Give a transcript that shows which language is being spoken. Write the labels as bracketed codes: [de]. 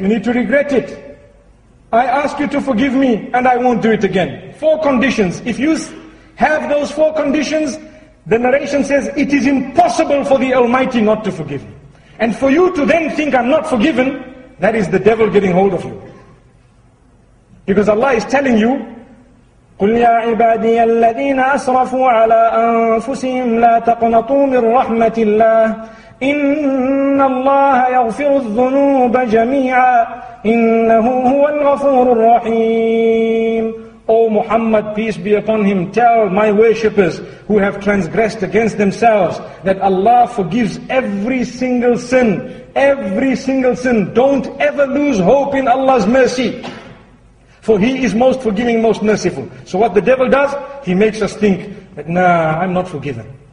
[en] You need to regret it. I ask you to forgive me and I won't do it again. Four conditions. If you have those four conditions, the narration says, it is impossible for the Almighty not to forgive you. And for you to then think I'm not forgiven, that is the devil getting hold of you. Because Allah is telling you, [ar] قُلْ يَا عِبَادِيَ الَّذِينَ أَسْرَفُوا عَلَىٰ أَنفُسِهِمْ لَا تَقْنَطُوا مِنْ رَحْمَةِ اللَّهِ إِنَّ اللَّهَ يَغْفِرُ الذُّنُوبَ جَمِيعًا إِنَّهُ هُوَ الْغَفُورُ الرَّحِيمُ. [en] O Muhammad, peace be upon him, tell my worshippers who have transgressed against themselves that Allah forgives every single sin. Every single sin. Don't ever lose hope in Allah's mercy. For he is most forgiving, most merciful. So what the devil does, he makes us think that, nah, I'm not forgiven.